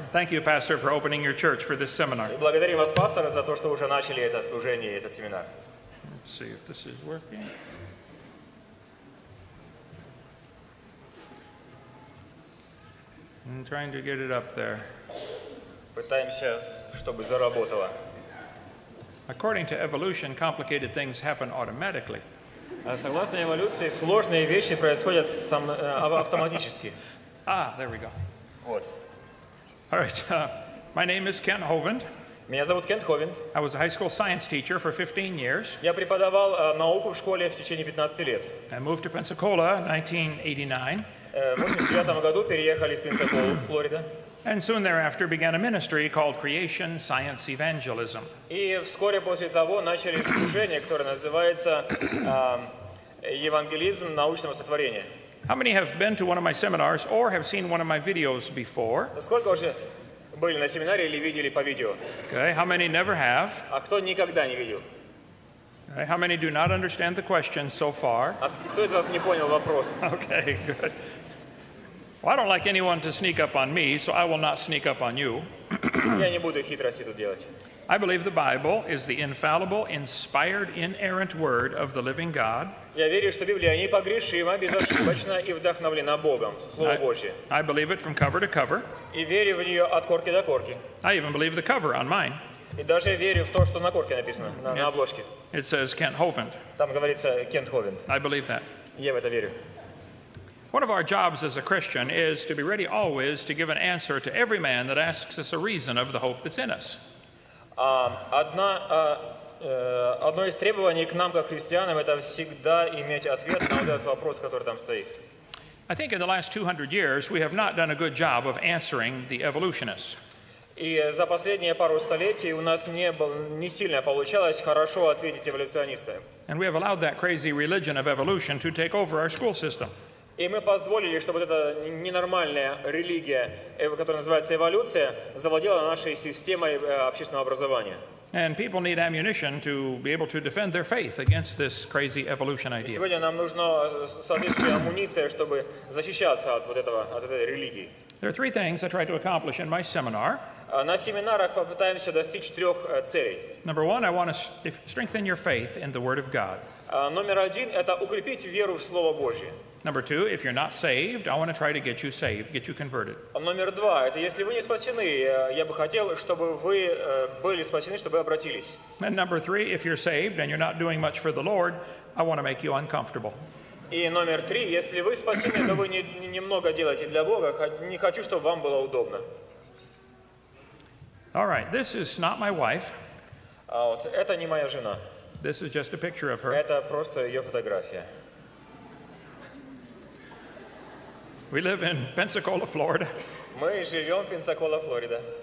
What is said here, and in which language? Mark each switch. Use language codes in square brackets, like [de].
[en] Thank you, Pastor, for opening your church for this seminar. [ru] Благодарим вас, пастор, за то, что уже начали это служение, этот семинар. [en] Let's see if this is working. I'm trying to get it up there. [ru] Пытаемся, чтобы заработало. [en] According to evolution, complicated things happen automatically. [ru] Согласно эволюции, сложные вещи происходят автоматически. [en] Ah, there we go. [ru] Вот. [en] All right. My name is Kent Hovind. [ru] Меня зовут Кент Ховинд. [en] I was a high school science teacher for 15 years. [ru] Я преподавал науку в школе в течение 15 лет. [en] I moved to Pensacola in 1989. [ru] В 1989 году переехали в Пенсаколу, Флорида. [en] And soon thereafter began a ministry called Creation Science Evangelism. [ru] И вскоре после того начали служение, которое называется евангелизм научного сотворения. [en] How many have been to one of my seminars or have seen one of my videos before? [ru] Сколько уже были на семинаре или видели по видео? [en] Okay, how many never have? [ru] А кто никогда не видел? [en] Okay, how many do not understand the question so far? [ru] А кто из вас не понял вопрос? [en] Okay, good. I don't like anyone to sneak up on me, so I will not sneak up on you. [ru] Я не буду хитрости тут делать. [en] I believe the Bible is the infallible, inspired, inerrant word of the living God. [ru] Я верю, что Библия непогрешима, безошибочна и вдохновлена Богом, Слово Божие. [en] I believe it from cover to cover. [ru] И верю в нее от корки до корки. [en] I even believe the cover on mine. [ru] И даже верю в то, что на корке написано, на обложке. [en] It says Kent Hovind. [ru] Там говорится Кент Ховинд. [en] I believe that. [ru] Я в это верю. [en] One of our jobs as a Christian is to be ready always to give an answer to every man that asks us a reason of the hope that's in us. [ru] Одно из требований к нам как христианам это всегда иметь ответ на этот вопрос, который там стоит. [en] I think in the last 200 years we have not done a good job of answering the evolutionists. [ru] И за последние пару столетий у нас не сильно получалось хорошо ответить эволюционистам. [en] And we have allowed that crazy religion of evolution to take over our school system. [ru] И мы позволили, чтобы эта ненормальная религия, которая называется эволюция, завладела нашей системой общественного образования. [en] And people need ammunition to be able to defend their faith against this crazy evolution idea. [ru] И сегодня нам нужна соответствующая амуниция, чтобы защищаться от вот этого, от этой религии. [en] There are three things I try to accomplish in my seminar. [ru] На семинарах попытаемся достичь трех целей. [en] Number one, I want to strengthen your faith in the Word of God. [ru] Номер один – это укрепить веру в Слово Божие. [en] Number two, if you're not saved, I want to try to get you saved, get you converted. [ru] Номер два, это если вы не спасены, я бы хотел, чтобы вы были спасены, чтобы вы обратились. [en] And number three, if you're saved and you're not doing much for the Lord, I want to make you uncomfortable. [ru] И номер три, если вы спасены, но вы немного делаете для Бога, не хочу, чтобы вам было удобно. [en] All right, this is not my wife. [ru] Вот, это не моя жена. [en] This is just a picture of her. [ru] Это просто ее фотография. [en] We live in Pensacola, Florida. [ru] Мы живем в Пенсаколе, Флорида.